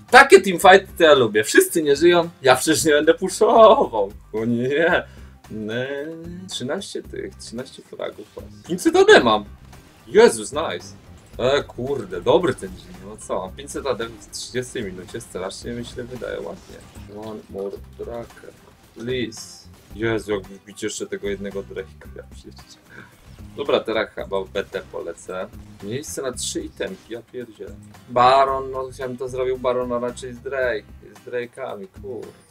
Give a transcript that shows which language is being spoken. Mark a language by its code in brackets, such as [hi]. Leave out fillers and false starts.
[pl] Takie teamfighty to ja lubię. Wszyscy nie żyją. Ja przecież nie będę pushował. O nie. Nie. 13 tych. 13 fragów. Nic nie mam. Jezus, nice. Kurde, dobry ten dzień, no co, 500 AD w 30 minucie strasznie mi się wydaje, ładnie. [en] One more tracker, please. [pl] Jezu, jak wbić jeszcze tego jednego drake'a, ja przecież. Dobra, teraz chyba BT polecę. Miejsce na 3 itemki, ja pierdzie. Baron, no chciałem to zrobił Baron, a raczej z Drake, z Drake'ami, kurde.